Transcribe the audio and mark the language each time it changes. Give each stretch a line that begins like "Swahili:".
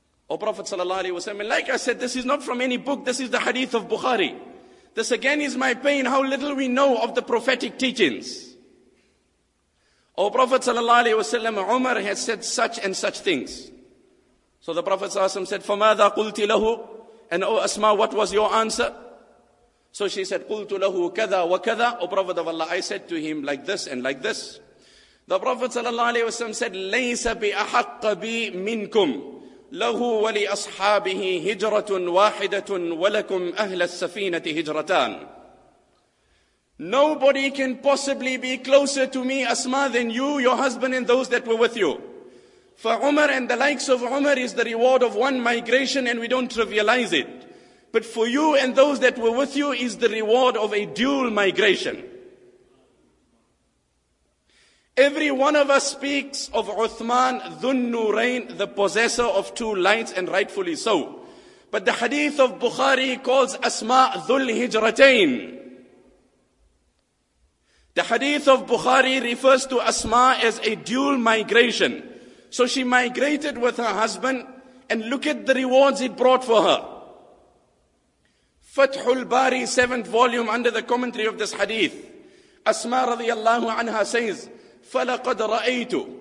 English: O Prophet sallallahu alaihi wasallam, like I said, this is not from any book, this is the hadith of Bukhari. This again is my pain, how little we know of the prophetic teachings. O Prophet sallallahu alaihi wasallam, Umar has said such and such things. So the Prophet sallallahu alaihi wasallam said,
Arabic: فَمَاذَا قُلْتِ لَهُ?
English: And O Asma, what was your answer? So she said,
Arabic: قُلْتُ لَهُ كَذَا وَكَذَا.
English: O Prophet of Allah, I said to him like this and like this. The Prophet sallallahu alaihi wasallam said,
Arabic: لَيْسَ بِأَحَقَّ بِي مِنْكُمْ لَهُ وَلِأَصْحَابِهِ هِجْرَةٌ وَاحِدَةٌ وَلَكُمْ أَهْلَ السَّفِينَةِ هِجْرَتَانِ.
English: Nobody can possibly be closer to me, Asma, than you, your husband, and those that were with you. For Umar and the likes of Umar is the reward of one migration, and we don't trivialize it. But for you and those that were with you is the reward of a dual migration. Every one of us speaks of Uthman Dhun Nurain, the possessor of two lights, and rightfully so. But the hadith of Bukhari calls Asma Dhul Hijratain. The hadith of Bukhari refers to Asma as a dual migration. So she migrated with her husband, and look at the rewards it brought for her. Fathul Bari, 7th volume, under the commentary of this hadith, Asma radiallahu anha says,
Arabic: فَلَقَدْ رَأَيْتُ